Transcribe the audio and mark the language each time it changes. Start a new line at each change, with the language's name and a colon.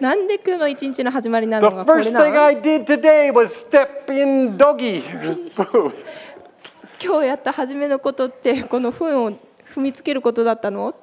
Japanese: なんで今日の一日の始まりなのがこれなの？
English: The first thing I did today was step in doggy.
Japanese: 今日やった初めのことってこの糞を踏みつけることだったの？